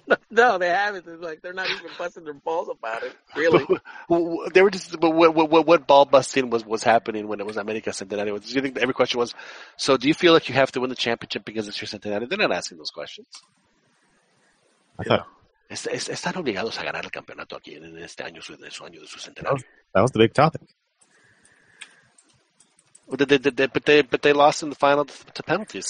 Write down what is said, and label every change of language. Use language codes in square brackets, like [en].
[en] No, they haven't. It's like they're not even busting their balls about it. Really, they were just. But what ball busting was happening when it was America Centenario? Do you think every question was? So, do you feel like you have to win the championship because it's your Centenario? They're not asking those questions. [es] Están obligados a ganar el campeonato aquí en este año, en su año de su centenario. [en] That was the big topic. But they lost in the final to penalties.